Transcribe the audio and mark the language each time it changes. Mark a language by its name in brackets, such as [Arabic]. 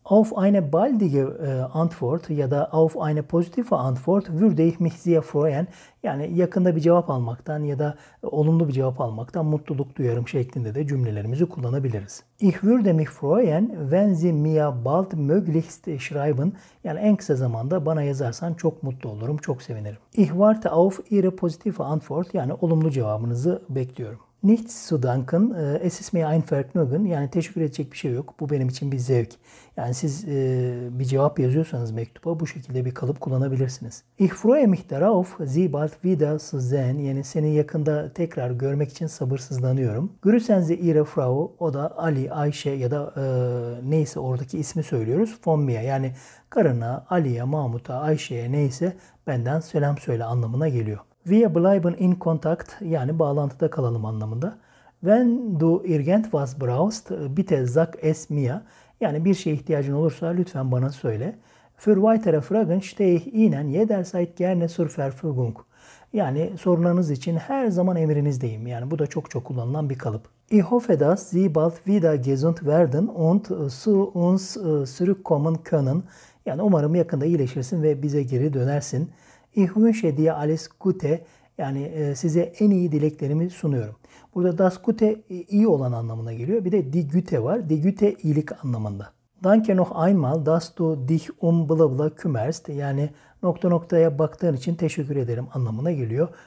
[German] Auf eine baldige Antwort [Turkish] ya da [German] auf eine positive Antwort würde ich mich sehr freuen. [Turkish] Yani yakında bir cevap almaktan ya da olumlu bir cevap almaktan mutluluk duyarım şeklinde de cümlelerimizi kullanabiliriz. [German] Ich würde mich freuen, wenn Sie mir bald möglichst schreiben. [Turkish] Yani en kısa zamanda bana yazarsan çok mutlu olurum, çok sevinirim. [German] Ich warte auf Ihre positive Antwort, [Turkish] yani olumlu cevabınızı bekliyorum. [German] Nichts zu danken, es ist mir ein Vergnügen. [Turkish] Yani teşekkür edecek bir şey yok. Bu benim için bir zevk. Yani siz bir cevap yazıyorsanız mektuba bu şekilde bir kalıp kullanabilirsiniz. [German] Ich freue mich darauf, Sie bald wieder zu sehen. [Turkish] Yani seni yakında tekrar görmek için sabırsızlanıyorum. [German] Grüßen Sie Ihre Frau, [Turkish] o da Ali, Ayşe ya da neyse oradaki ismi söylüyoruz. [German] Von mir, [Turkish] yani karına, Ali'ye, Mahmut'a, Ayşe'ye neyse benden selam söyle anlamına geliyor. [German] Wir bleiben in Kontakt, [Turkish] yani bağlantıda kalalım anlamında. [German] Wenn du irgendwas brauchst, bitte sag es mir. [Turkish] Yani bir şeye ihtiyacın olursa lütfen bana söyle. [German] Für weitere Fragen stehe ich Ihnen jederzeit gerne zur Verfügung. [Turkish] Yani sorularınız için her zaman emrinizdeyim. Yani bu da çok çok kullanılan bir kalıp. [German] Ich hoffe, dass Sie bald wieder gesund werden und zu uns zurückkommen können. [Turkish] Yani umarım yakında iyileşirsin ve bize geri dönersin. [German] Ich wünsche dir alles Gute, [Turkish] yani size en iyi dileklerimi sunuyorum. Burada das Gute iyi olan anlamına geliyor. Bir de die Güte var. Die Güte iyilik anlamında. [German] Danke noch einmal, dass du dich bla bla kümmerst. [Turkish] Yani nokta noktaya baktığın için teşekkür ederim anlamına geliyor.